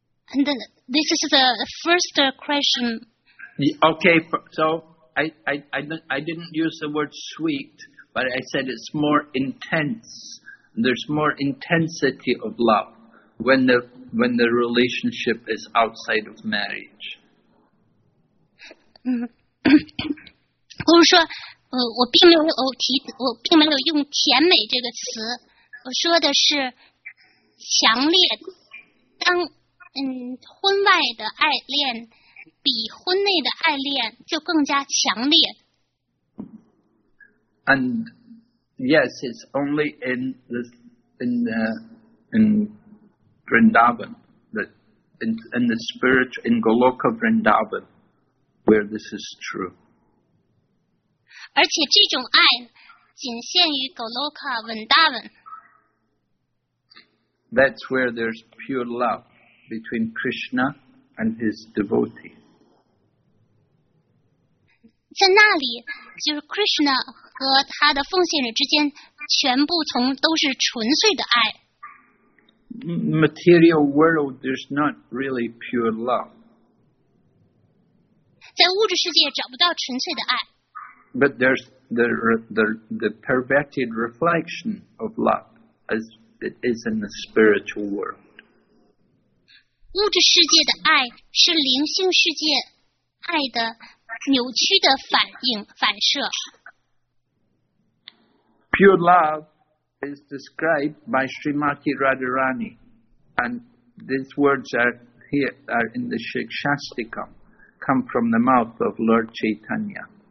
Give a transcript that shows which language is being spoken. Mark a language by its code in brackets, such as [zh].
[en] And this is the first question. Okay, so I didn't use the word sweet, but I said it's more intense. There's more intensity of love when the relationship is outside of marriage. [zh] 不是说，我并没有我并没有用甜美这个词，我说的是强烈。当婚外的爱恋比婚内的爱恋就更加强烈。 [en] And yes, it's only in Vrindavan, in the spirit in Goloka Vrindavan, where this is true. [zh] 而且这种爱仅限于 Goloka Vrindavan. [en] That's where there's pure love between Krishna and his devotees. [zh] 在那里，就是 Krishna 和他的奉献者之间，全部都是纯粹的爱。 [en] Material world, there's not really pure love. [zh] 在物质世界找不到纯粹的爱。 [en] But there's the perverted reflection of love as it is in the spiritual world. [zh] 物质世界的爱是灵性世界爱的扭曲的反应反射。 [en] Pure love is described by Srimati Radharani, and these words are in the Shikshastikam, come from the mouth of Lord Chaitanya.